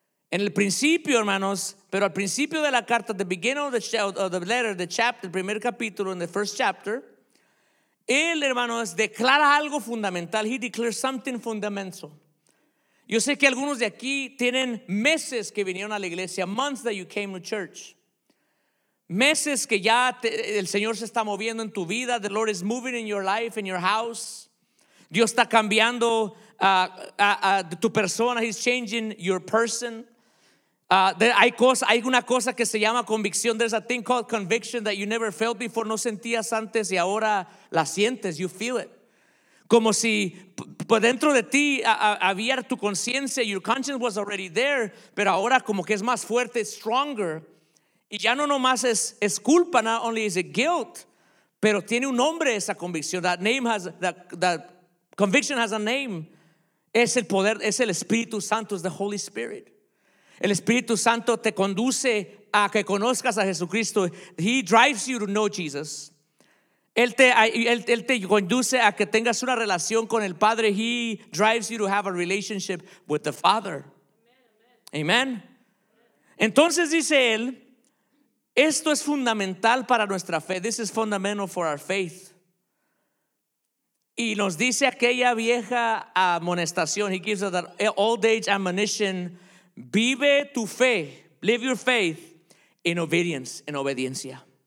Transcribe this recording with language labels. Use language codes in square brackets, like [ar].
[es] En el principio, hermanos, pero al principio de la carta, [en] the beginning of the letter, the chapter, [es] el primer capítulo, [en] in the first chapter, [es] él, hermanos, declara algo fundamental. [en] He declares something fundamental. [es] Yo sé que algunos de aquí tienen meses que vinieron a la iglesia, [en] months that you came to church. [es] Meses que ya el Señor se está moviendo en tu vida. [en] The Lord is moving in your life, in your house. [es] Dios está cambiando tu persona. [en] He's changing your person. [es] Hay una cosa que se llama convicción. [en] There's a thing called conviction that you never felt before. [es] No sentías antes y ahora la sientes. [en] You feel it. [es] Como si por dentro de ti había tu conciencia. [en] Your conscience was already there, [es] pero ahora como que es más fuerte, stronger. Y ya no nomás es culpa. [en] Not only is it guilt, [es] pero tiene un nombre esa convicción. [en] That name has that conviction has a name. [es] Es el poder. Es el Espíritu Santo. Es the Holy Spirit. El Espíritu Santo te conduce a que conozcas a Jesucristo. [en] He drives you to know Jesus. [es] Él te conduce a que tengas una relación con el Padre. [en] He drives you to have a relationship with the Father. Amen. [es] Entonces dice él, esto es fundamental para nuestra fe. [en] This is fundamental for our faith. [es] Y nos dice aquella vieja amonestación. [en] He gives us that old age admonition. [es] Vive tu fe, [en] live your faith in obedience, [es] en obediencia.